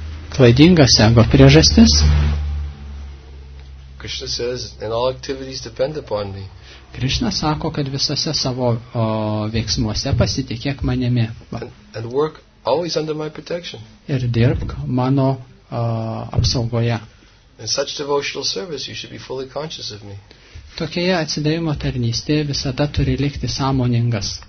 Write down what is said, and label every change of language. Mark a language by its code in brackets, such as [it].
[lt] Klaidingas ego priežastis. [en] Krishna says, and all activities depend upon me. [lt] Krishna sako, kad visose savo veiksmuose pasitikėk manimi. [en] And work always under my protection. [lt] Ir dirbk mano apsaugoje. [en] In such devotional service, you should be fully conscious of me. [lt] Tokioje atsidavimo tarnystėje visada turi likti sąmoningas.